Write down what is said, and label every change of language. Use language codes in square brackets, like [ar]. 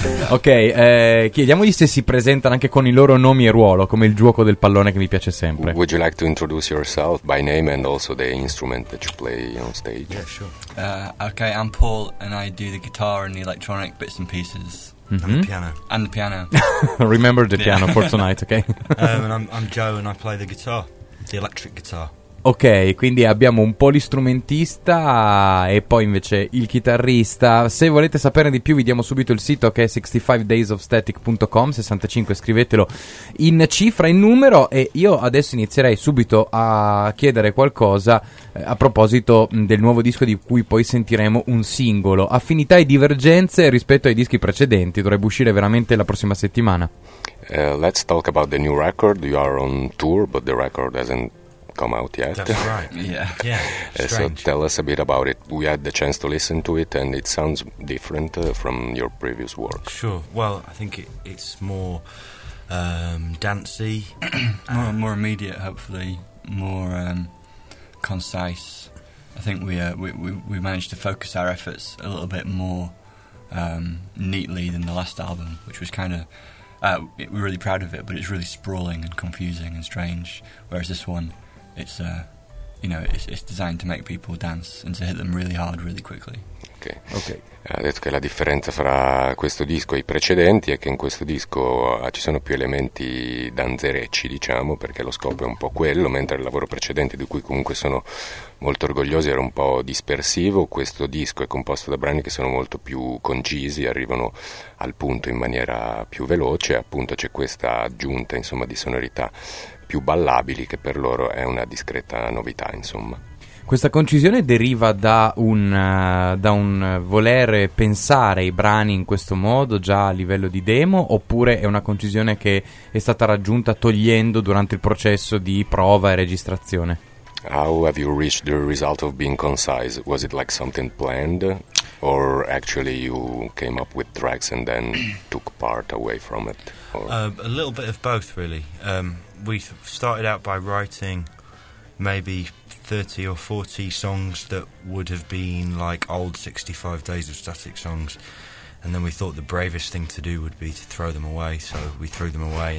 [it] Ok, chiediamogli se si presentano anche con i loro nomi e ruolo, come il gioco del pallone che mi piace sempre. [en] Would you like to introduce yourself by name and also the instrument that you play on stage? Yeah, sure. Ok, I'm Paul and I do the guitar and the electronic bits and pieces. Mm-hmm. And the piano. And the piano. Remember the piano for tonight, ok? And I'm Joe and I play the guitar. The electric guitar. [it] Ok, quindi abbiamo un po' l'istrumentista e poi invece il chitarrista. Se volete sapere di più vi diamo subito il sito che è 65daysofstatic.com, 65 scrivetelo in cifra, in numero. E io adesso inizierei subito a chiedere qualcosa a proposito del nuovo disco, di cui poi sentiremo un singolo. Affinità e divergenze rispetto ai dischi precedenti, dovrebbe uscire veramente la prossima settimana. [en] Let's talk about the new record. You are on tour, but the record hasn't come out yet. That's right. Yeah. So tell us a bit about it. We had the chance to listen to it, and it sounds different from your previous work. Sure. Well, I think it's more dancey, more immediate, hopefully, more concise. I think we managed to focus our efforts a little bit more neatly than the last album, which was kind of... we're really proud of it, but it's really sprawling and confusing and strange. Whereas this one, it's designed to make people dance and to hit them really hard, really quickly. Okay. [it] Ha detto che la differenza fra questo disco e i precedenti è che in questo disco ci sono più elementi danzerecci, diciamo, perché lo scopo è un po' quello, mentre il lavoro precedente, di cui comunque sono molto orgoglioso, era un po' dispersivo. Questo disco è composto da brani che sono molto più concisi, arrivano al punto in maniera più veloce, appunto c'è questa aggiunta, insomma, di sonorità più ballabili, che per loro è una discreta novità, insomma. Questa concisione deriva da un voler pensare i brani in questo modo già a livello di demo, oppure è una concisione che è stata raggiunta togliendo durante il processo di prova e registrazione? [en] How have you reached the result of being concise? Was it like something planned, or actually you came up with tracks and then took part away from it? A little bit of both, really. We started out by writing maybe 30 or 40 songs that would have been like old 65 Days of Static songs, and then we thought the bravest thing to do would be to throw them away, so we threw them away.